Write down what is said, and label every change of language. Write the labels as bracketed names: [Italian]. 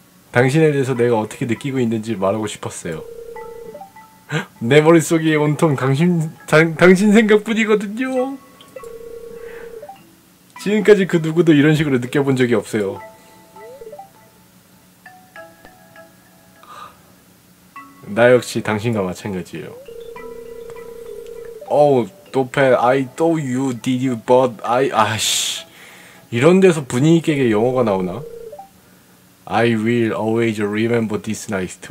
[Korean] 당신에 대해서 내가 어떻게 느끼고 있는지 말하고 싶었어요. 내 머릿속이 온통 당신 생각뿐이거든요. 지금까지 그 누구도 이런 식으로 느껴본 적이 없어요. 나 역시 당신과 마찬가지예요. [English] Oh, Topher, I know you did you, but I... [Korean] 아씨... 이런 데서 분위기 있게 영어가 나오나? [English] I will always remember this night.